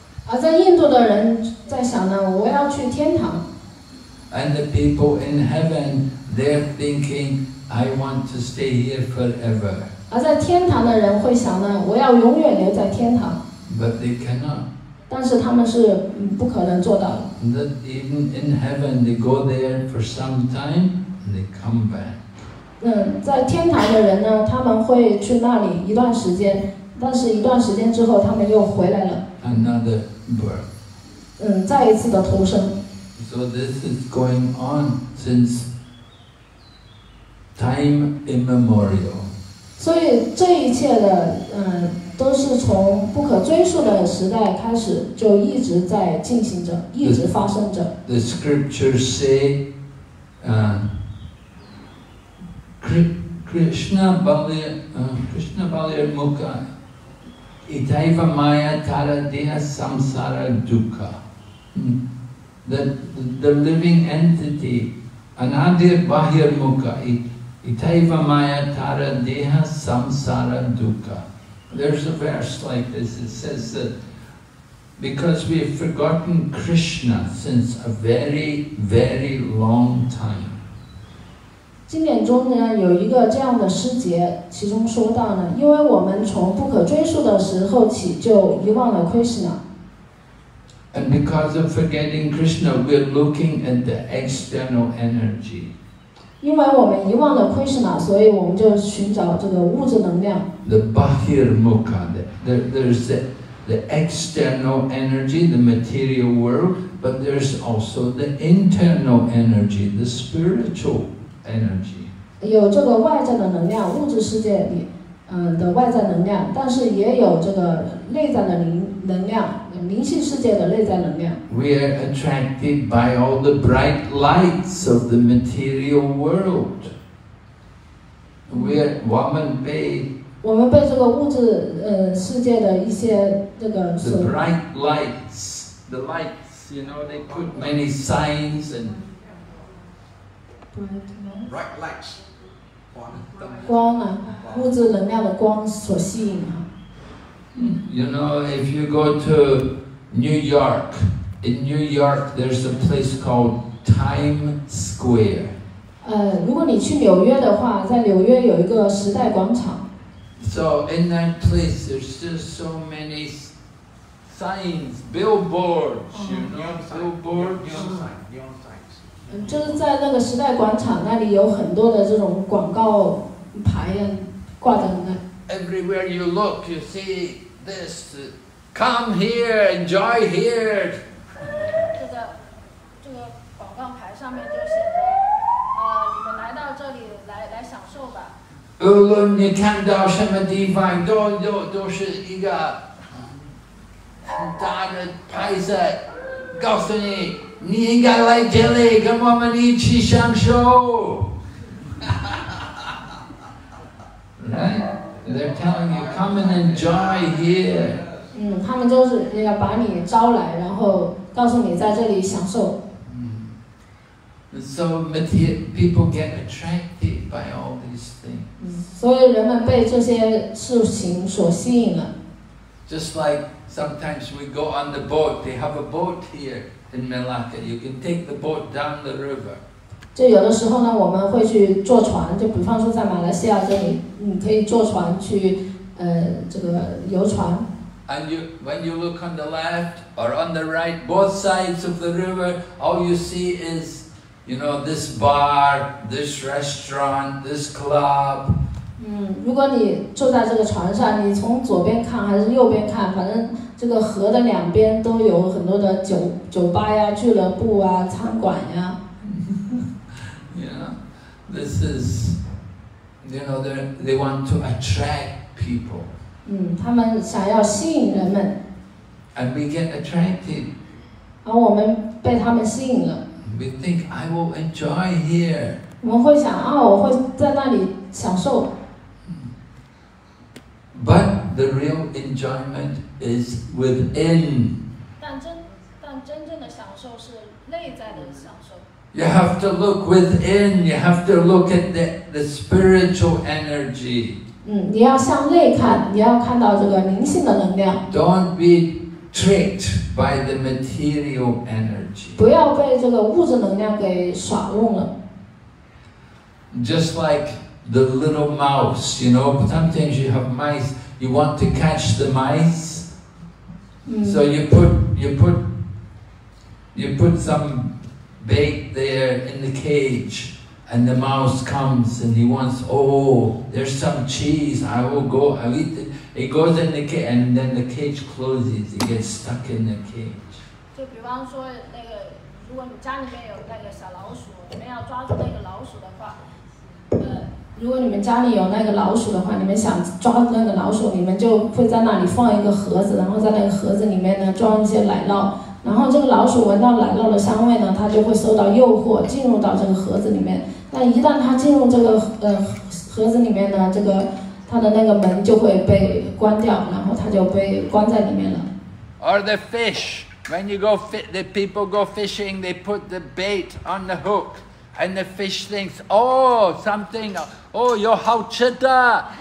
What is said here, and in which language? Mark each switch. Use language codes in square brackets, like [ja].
[zh] 而在印度的人在想呢，我要去天堂。 [en] And the people in heaven, they're thinking, I want to stay here forever. [zh] 而在天堂的人会想呢，我要永远留在天堂。 [en] But they cannot. [zh] 但是他们是不可能做到的。 [en] Even in heaven, they go there for some time and they come back. [zh] 在天台的人呢，他们会去那里一段时间，但是一段时间之后，他们又回来了。 [en] Another birth. [zh] 再一次的投生。 [en] So this is going on since time immemorial. [zh] 所以这一切的，都是从不可追溯的时代开始，就一直在进行着，一直发生着。 [en] The scriptures say, [bn] Krishna Balir Mukha, Itaiva Maya Tara Deha Samsara Dukha. [en] The living entity, [bn] Anadir Bahir Mukha, Itaiva Maya Tara Deha Samsara Dukha. [en] There's a verse like this. It says that because we have forgotten Krishna since a very, very long time. [zh] 经典中呢有一个这样的诗节，其中说到呢，因为我们从不可追溯的时候起就遗忘了 Krishna. [en] And because of forgetting Krishna, we're looking at the external energy. [zh] 因为我们遗忘了 Krishna, 所以我们就寻找这个物质能量。 [en] The Bahir Mukha, there's the external energy, the material world, but there's also the internal energy, the spiritual energy. [zh] 有这个外在的能量，物质世界里，的外在能量，但是也有这个内在的能量，灵性世界的内在能量。 [en] We are attracted by all the bright lights of the material world. [zh] 我们被这个物质世界的一些这个 [en] 所 The bright lights, the lights, you know, they put many signs and bright lights, [zh] 光啊，物质能量的光所吸引啊。 [en] You know, if you go to New York, in New York, there's a place called Times Square. [zh] 如果你去纽约的话，在纽约有一个时代广场。 [en] So in that place, there's just so many signs, billboards, you know, billboards. Neon signs. [zh] 就是在那个时代广场那里有很多的这种广告牌呀，挂在那。 [en] Everywhere you look, you see this. Come here, enjoy here. [zh] 这个广告牌上面就写着，你们来到这里来享受吧。无论你看到什么地方，都是一个很大的牌子，告诉你，你应该来这里跟我们一起享受。 [en] Right? They're telling you, come and enjoy here. [zh] 他们就是要把你招来，然后告诉你在这里享受。 [en] So material people get attracted by all these things. [zh] 所以人们被这些事情所吸引了。 [en] Just like sometimes we go on the boat, they have a boat here in Melaka. You can take the boat down the river. [zh] 就有的时候呢，我们会去坐船，就比方说在马来西亚这里，你可以坐船去，这个游船。 [en] And you, when you look on the left or on the right, both sides of the river, all you see is. You know, this bar, this restaurant, this club. [zh] 如果你坐在这个船上，你从左边看还是右边看，反正这个河的两边都有很多的酒吧呀、俱乐部啊、餐馆呀。 [en] Yeah, this is, you know, they want to attract people. [zh] 他们想要吸引人们。 [en] And we get attracted. [zh] 而我们被他们吸引了。 [en] We think I will enjoy here. [zh] 我们会想啊，我会在那里享受。 [en] But the real enjoyment is within. [zh] 但真正的享受是内在的享受。 [en] You have to look within. You have to look at the spiritual energy. [zh] 你要向内看，你要看到这个灵性的能量。 [en] Don't be tricked by the material energy. [zh] 不要被这个物质能量给耍弄了。 [en] Just like the little mouse, you know, sometimes you have mice, you want to catch the mice. So you put some bait there in the cage, And the mouse comes and he wants, oh, there's some cheese, I will go, I'll eat it. He goes in the cage and then the cage closes, he gets stuck in the cage. [zh] 如果你们家里有那个老鼠的话，你们想抓住那个老鼠，你们就会在那里放一个盒子，然后在那个盒子里面呢装一些奶酪，然后这个老鼠闻到奶酪的香味呢，它就会受到诱惑进入到这个盒子里面，但一旦它进入这个盒子里面呢，这个它的那个门就会被关掉，然后它就被关在里面了。 [en] Or the fish, when you go the people go fishing, they put the bait on the hookAnd the fish thinks, oh, something, oh, you're how chitta.